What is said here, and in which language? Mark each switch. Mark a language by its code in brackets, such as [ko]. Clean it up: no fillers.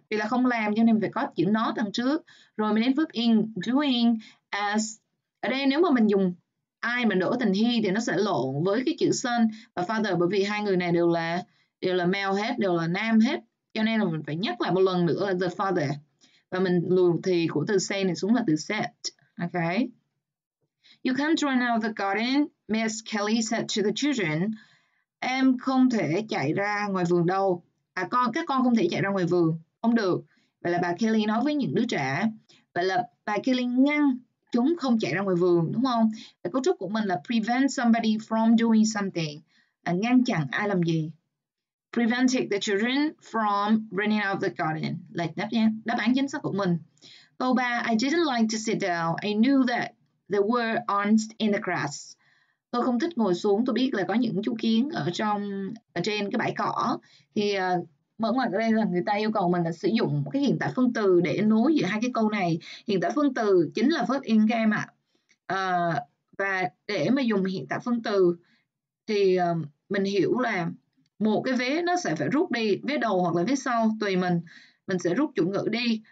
[vi] Vì là không làm cho nên phải có chữ not đằng trước. Rồi mình đến [en] verb in doing as. [vi] Ở đây nếu mà mình dùng I mà đổi thành he thì nó sẽ lộn với cái chữ son và father, bởi vì hai người này đều là male hết, đều là nam hết. Cho nên là mình phải nhắc lại một lần nữa là [en] the father. [vi] Và mình lùi thì của từ say này xuống là từ set. Okay. [en] You can't run out of the garden, Miss Kelly said to the children. [vi] Em không thể chạy ra ngoài vườn đâu. À con, các con không thể chạy ra ngoài vườn. Không được. Vậy là bà Kelly nói với những đứa trẻ. Vậy là bà Kelly ngăn chúng không chạy ra ngoài vườn, đúng không? Và cấu trúc của mình là [en] prevent somebody from doing something. [vi] Là ngăn chặn ai làm gì. [en] Prevented the children from running out of the garden. [vi] Là đáp án chính xác của mình. Câu 3, [en] I didn't like to sit down. I knew that there were ants in the grass. [vi] Tôi không thích ngồi xuống. Tôi biết là có những chú kiến ở trên cái bãi cỏ. Thì mở ngoặc ở đây là người ta yêu cầu mình là sử dụng cái hiện tại phân từ để nối giữa hai cái câu này. Hiện tại phân từ chính là verb in game ạ. Và để mà dùng hiện tại phân từ thì mình hiểu là một cái vế nó sẽ phải rút đi, vế đầu hoặc là vế sau, tùy mình sẽ rút chủ ngữ đi.